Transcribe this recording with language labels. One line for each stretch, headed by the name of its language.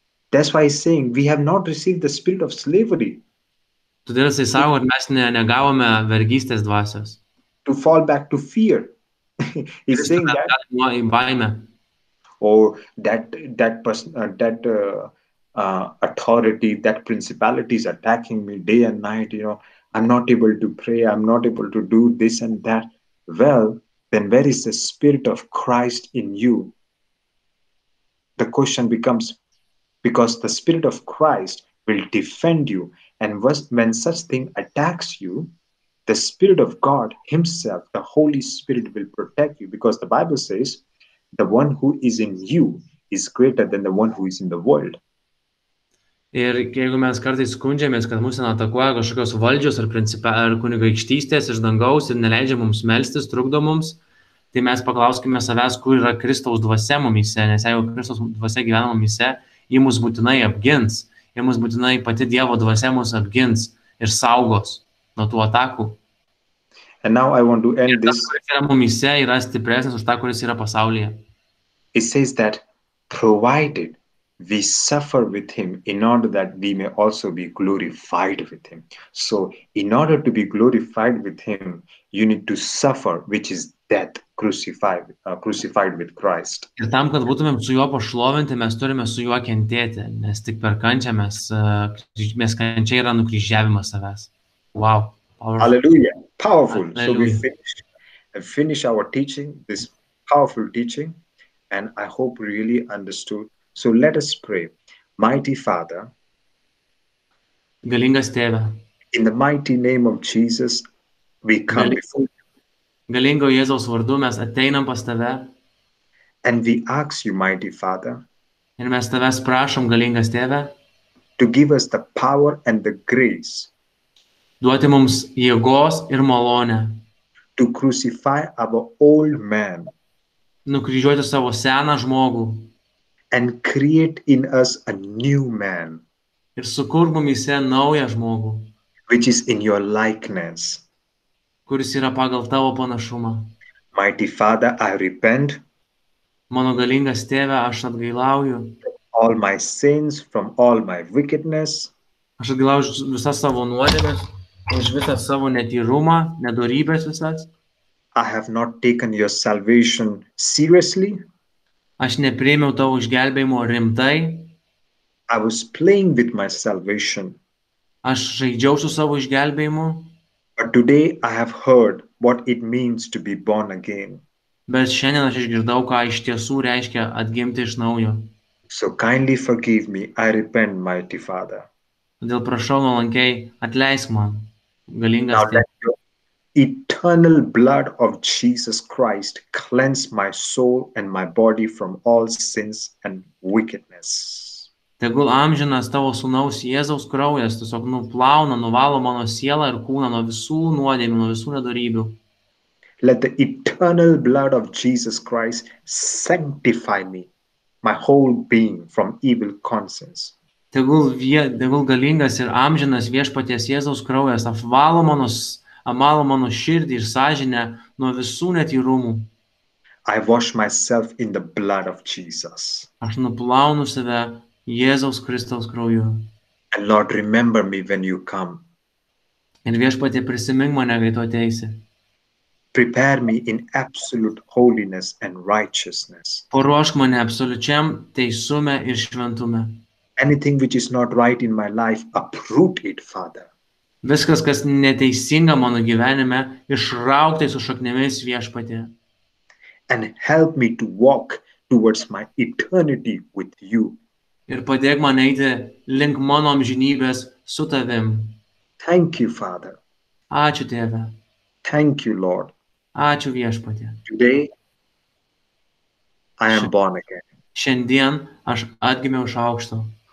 English: That's why he's saying we have not received the spirit of slavery.
Lithuanian: Todėl jisai sako, kad mes negavome vergystės dvasios.
English: To fall back to fear. He's saying that authority, that principality is attacking me day and night, you know, I'm not able to pray, I'm not able to do this and that. Well, then where is the spirit of Christ in you? The question becomes, because the spirit of Christ will defend you, and when such thing attacks you, the Spirit of God himself, the Holy Spirit, will protect you. Because the Bible says, the one who is in you is greater than the one who is in the world.
Lithuanian: Ir jeigu mes kartais skundžiamės, kad mūsų atakuoja kažkokios valdžios ar kunigaikštystės iš dangaus ir neleidžia mums melstis, trukdo mums, tai mes paklauskime savęs, kur yra Kristaus dvasė mumyse, nes jeigu Kristaus dvasė gyvena mumyse, jį mus būtinai apgins, jį mus būtinai pati Dievo dvasė mus apgins ir saugos nuo tų atakų.
English: And now I want to end this.
Lithuanian: Ir tas, kuris yra mumyse, yra stipresnis už tą, kuris yra pasaulyje.
English: It says that provided we suffer with him in order that we may also be glorified with him. So in order to be glorified with him, you need to suffer, which is death, crucified with Christ.
Lithuanian: Ir tam, kad būtumėm su juo pašlovinti, mes turime su juo kentėti, nes tik per kančią mes kančia yra nukryžiavimas savęs.
English: Wow. Powerful. Hallelujah. Powerful. Hallelujah. So we finish our teaching, this powerful teaching, and I hope really understood. So let us pray. Mighty Father,
Lithuanian: galingas Tėve,
English: in the mighty name of Jesus, we come before you.
Lithuanian: Galingo Jėzaus vardu mes ateinam pas Tave.
English: And we ask you, mighty Father,
Lithuanian: ir mes Tavęs prašom, galingas Tėve,
English: to give us the power and the grace,
Lithuanian: duoti mums jėgos ir malonę,
English: to crucify our old man,
Lithuanian: nukryžiuoti savo seną žmogų,
English: and create in us a new man,
Lithuanian: ir sukur mumyse naują žmogų,
English: which is in your likeness,
Lithuanian: kuris yra pagal tavo panašumą.
English: Mighty Father, I repent,
Lithuanian: mano galingas Tėve, aš atgailauju,
English: all my sins from all my wickedness,
Lithuanian: aš atgailauju visas savo nuodėmes, už visą savo netyrumą, nedorybės visas.
English: I have not taken your salvation seriously.
Lithuanian: Aš nepriėmiau tavo išgelbėjimo rimtai.
English: I was playing with my salvation.
Lithuanian: Aš žaidžiau su savo išgelbėjimu.
English: But today I have heard what it means to be born again.
Lithuanian: Bet šiandien aš išgirdau, ką iš tiesų reiškia atgimti iš naujo.
English: So kindly forgive me, I repent, mighty Father.
Lithuanian: Todėl prašau nuolankiai, atleisk man, galingas Tėve.
English: Now let your eternal blood of Jesus Christ cleanse my soul and my body from all sins and wickedness.
Lithuanian: Tegul amžinas tavo sūnaus Jėzaus kraujas tiesiog nuplauna, nuvalo mano sielą ir kūną nuo visų nuodėmių, nuo visų nedorybių.
English: Let the eternal blood of Jesus Christ sanctify me, my whole being, from evil conscience.
Lithuanian: Tegul galingas ir amžinas viešpaties Jėzaus kraujas amalo mano širdį ir sąžinę nuo visų netyrumų.
English: I wash myself in the blood of Jesus.
Lithuanian: Aš nuplaunu save Jėzaus Kristaus krauju.
English: And Lord, remember me when you come.
Lithuanian: Ir viešpatie, prisimink mane, kai tu ateisi.
English: Prepare me in absolute holiness and righteousness.
Lithuanian: Paruošk mane absoliučiam teisume ir šventume.
English: Anything which is not right in my life, uproot it, Father.
Lithuanian: Viskas, kas neteisinga mano gyvenime, išrauktai su šaknimis viešpatie.
English: And help me to walk towards my eternity with you.
Lithuanian: Ir padėk man eiti link mano amžinybės su tavim.
English: Thank you, Father.
Lithuanian: Ačiū, Tėve.
English: Thank you, Lord.
Lithuanian: Ačiū, viešpatie.
English: Today, I am born again.
Lithuanian: Šiandien aš atgimiau iš aukšto.